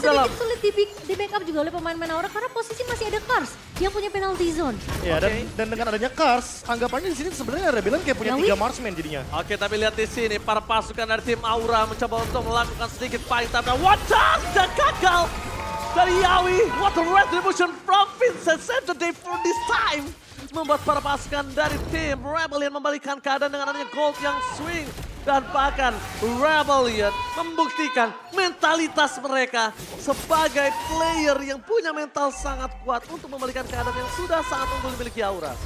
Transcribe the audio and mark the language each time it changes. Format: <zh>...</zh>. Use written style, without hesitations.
<id>sedikit sulit di backup juga oleh pemain-pemain Aura karena posisi masih ada Kars yang punya penalty zone. Ya, okay. Dan dengan adanya Kars, anggapannya di sini sebenarnya Rebellion kayak punya 3 marksman jadinya. Oke, tapi lihat di sini para pasukan dari tim Aura mencoba untuk melakukan sedikit fight time. Dan</id> <en>watch out,</en> <id>dan gagal dari Yawi.</id> <en>What a retribution from Vincent. Save the day for this time.</en> <id>Membuat para pasukan dari tim Rebellion membalikkan keadaan dengan adanya gold yang swing. Dan bahkan Rebellion membuktikan mentalitas mereka sebagai player yang punya mental sangat kuat untuk membalikan keadaan yang sudah sangat unggul dimiliki Aura.</id>